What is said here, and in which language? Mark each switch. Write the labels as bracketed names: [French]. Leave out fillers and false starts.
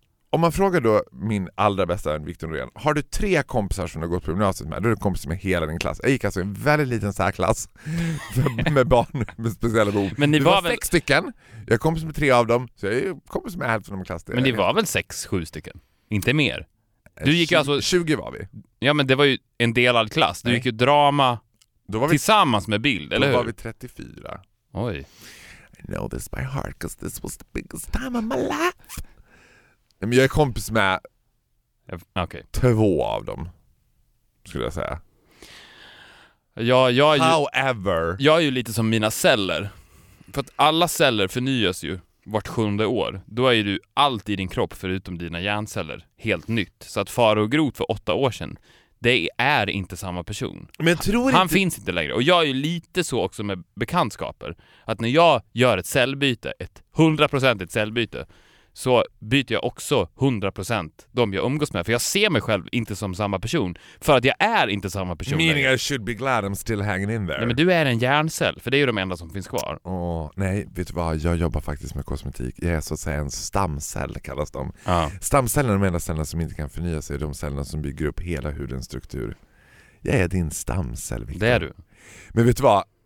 [Swedish] Om man frågar då min allra bästa vän Victor Norén, har du tre kompisar som du har gått på gymnasiet med? Då är du kompis med hela din klass. Jag gick alltså en väldigt liten särklass med barn med speciella behov. Men ni var väl... sex stycken. Jag är kompis med tre av dem. Så jag är kompis med hälften av min klass. Men ni var väl sex, sju stycken? Inte mer. Du gick alltså... 20 var vi. Ja, men det var ju en delad klass. Du gick ju drama då var vi... tillsammans med bild, då eller hur? Då var vi 34. Oj. [English] I know this by heart because this was the biggest time of my life. [Swedish] Men jag är kompis med två av dem, skulle jag säga. Ja, jag är ju, [English] however. [Swedish] Jag är ju lite som mina celler. För att alla celler förnyas ju vart sjunde år. Då är du allt i din kropp förutom dina hjärnceller helt nytt. Så att fara och grot för 8 år sedan, det är inte samma person. Men tror han inte... finns inte längre. Och jag är ju lite så också med bekantskaper. Att när jag gör ett cellbyte, ett 100% ett cellbyte, så byter jag också 100% de jag umgås med. För jag ser mig själv inte som samma person. För att jag är inte samma person. [English] Meaning I should be glad I'm still hanging in there. [Swedish] Nej, men du är en hjärncell. För det är ju de enda som finns kvar. Åh, nej, vet du vad? Jag jobbar faktiskt med kosmetik. Jag är så att säga en stamcell kallas de. Stamcellen är de enda cellerna som inte kan förnya sig. De cellerna som bygger upp hela hudens struktur. Jag är din stamcell, Victor. Det är du. Men vet du vad?